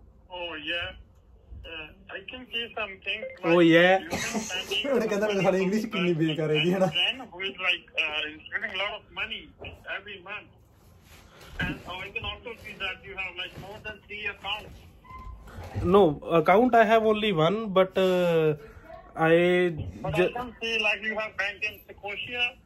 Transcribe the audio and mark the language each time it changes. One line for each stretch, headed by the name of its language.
English: Oh yeah, I can see something. Like oh yeah.
Punjabi: ਉਹਨੇ ਕਹਿੰਦਾ ਮੈਂ ਸਾਡੀ ਇੰਗਲਿਸ਼ ਕਿੰਨੀ ਬੇਕਾਰ ਹੈ ਜੀ ਹਨਾ.
English: Who is like spending a lot of money every month? And I can also see that you have like more than 3 accounts. No account, I have only one, but. I can see like you have bank in Scotia.